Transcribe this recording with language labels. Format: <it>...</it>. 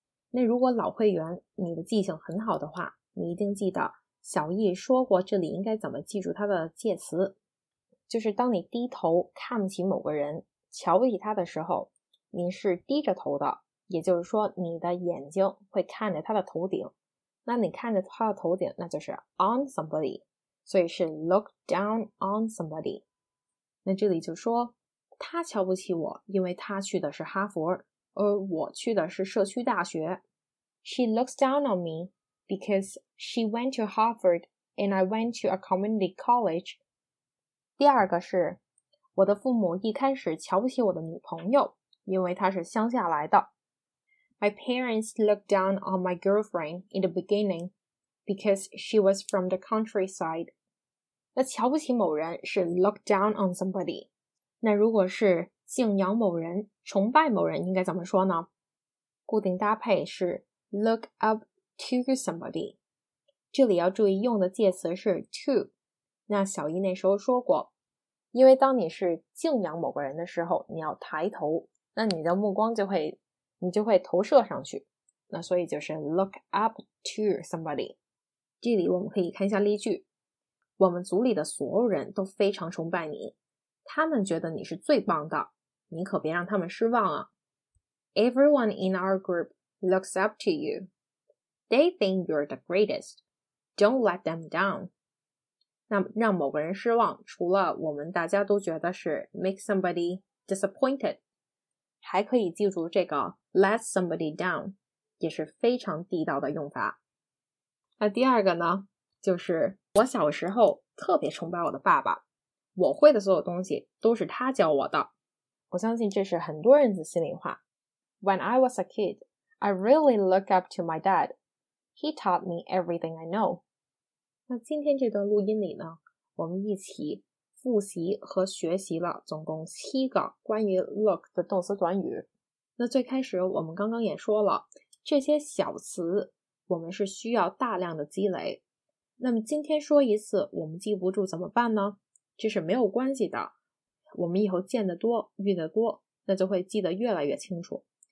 <zh>那如果老会员你的记性很好的话，你一定记得小易说过这里应该怎么记住它的介词，就是当你低头看不起某个人，瞧不起他的时候，你是低着头的，也就是说你的眼睛会看着他的头顶，那你看着他的头顶，那就是</zh> <en>on somebody，</en> <zh>所以是</zh> <en>look down on somebody。</en> <zh>那这里就说他瞧不起我，因为他去的是哈佛，而我去的是社区大学。</zh> <en>She looks down on me because she went to Harvard and I went to a community college。</en> <zh>第二个是我的父母一开始瞧不起我的女朋友，因为她是乡下来的。</zh> <en>My parents looked down on my girlfriend in the beginning because she was from the countryside。</en> <zh>那瞧不起某人是</zh> <en>look down on somebody，</en> <zh>那如果是敬仰某人、崇拜某人应该怎么说呢？固定搭配是</zh> <en>look up to somebody，</en> <zh>这里要注意用的介词是 to。那小姨那时候说过，因为当你是敬仰某个人的时候，你要抬头，那你的目光就会投射上去，那所以就是</zh> <en>look up to somebody。</en> <zh>这里我们可以看一下例句，我们组里的所有人都非常崇拜你，他们觉得你是最棒的，你可别让他们失望啊。</zh> <en>Everyone in our group looks up to you. They think you're the greatest. Don't let them down.</en> <zh>那让某个人失望，除了我们大家都觉得是</zh> <en>make somebody disappointed，</en> <zh>还可以记住这个</zh> <en>let somebody down，</en> <zh>也是非常地道的用法。那第二个呢，就是我小时候特别崇拜我的爸爸，我会的所有东西都是他教我的。我相信这是很多人的心里话。</zh> <en>When I was a kid, I really look up to my dad. He taught me everything I know.</en> <zh>那今天这段录音里呢，我们一起复习和学习了总共七个关于 look 的动词短语。那最开始我们刚刚也说了，这些小词我们是需要大量的积累。那么今天说一次我们记不住怎么办呢？这是没有关系的，我们以后见得多遇得多，那就会记得越来越清楚。</zh>